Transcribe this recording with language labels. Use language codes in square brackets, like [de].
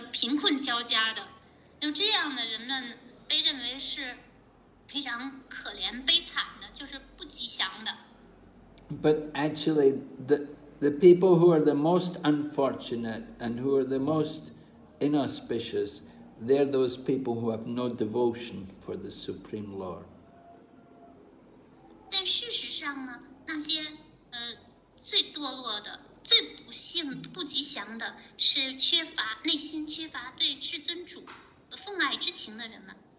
[zh] 还有一些人呢是饥肠辘辘的，而且是非常的贫困交加的，那这样的人们。被认为是非常可怜悲惨的，就是不吉祥的。 [en] But actually, the people who are the most unfortunate and who are the most inauspicious, they're those people who have no devotion for the Supreme Lord. [zh] 但事实上呢，那些最堕落的、最不幸、不吉祥的，是缺乏内心缺乏对至尊主奉爱之情的人们。